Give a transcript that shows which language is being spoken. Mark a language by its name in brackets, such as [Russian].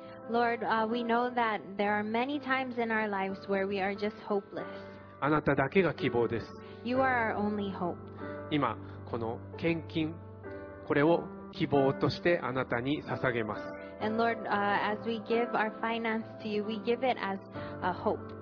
[English] Lord, we know that there are many times in our lives where we are just hopeless. [Japanese] あなただけが希望です。 [English] You are our only hope. [Japanese] 今この献金、これを希望としてあなたに捧げます。 [English] And Lord, as we give our finance to you, we give it as a hope.